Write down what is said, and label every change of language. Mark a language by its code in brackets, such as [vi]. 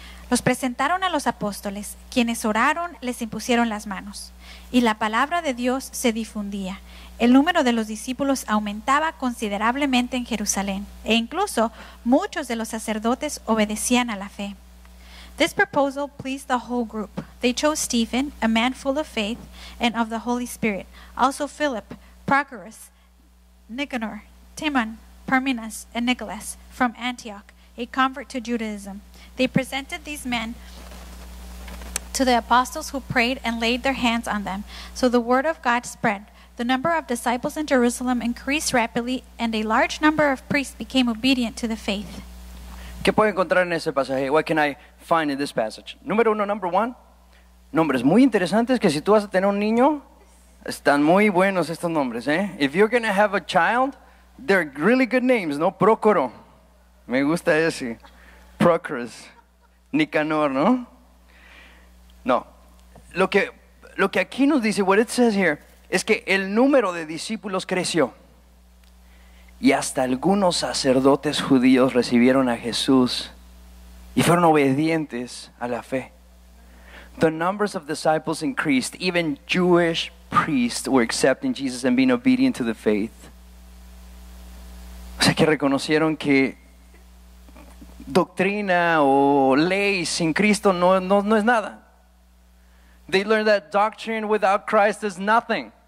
[es] Los presentaron a los apóstoles, quienes oraron, les impusieron las manos, y la palabra de Dios se difundía. El número de los discípulos aumentaba considerablemente en Jerusalén, e incluso muchos de los sacerdotes obedecían a la fe. [en] This proposal pleased the whole group. They chose Stephen, a man full of faith and of the Holy Spirit, also Philip, Prochorus, Nicanor, Timon, Parmenas, and Nicolas from Antioch, a convert to Judaism. They presented these men to the apostles, who prayed and laid their hands on them. So the word of God spread. The number of disciples in Jerusalem increased rapidly, and a large number of priests became obedient to the faith. [es] ¿Qué puedo encontrar en ese pasaje? [en] What can I find in this passage? [es] Número uno, [en] number one, [es] nombres muy interesantes que si tú vas a tener un niño, están muy buenos estos nombres, eh? [en] If you're going to have a child, they're really good names, ¿no? [es] Prócoro, me gusta ese. Prochorus, Nicanor, ¿no? No, lo que aquí nos dice, [en] what it says here, [es] es que el número de discípulos creció. Y hasta algunos sacerdotes judíos recibieron a Jesús y fueron obedientes a la fe. [en] The numbers of disciples increased. Even Jewish priests were accepting Jesus and being obedient to the faith. [es] O sea que reconocieron que doctrina o ley sin Cristo no es nada. [en] They learned that doctrine without Christ is nothing.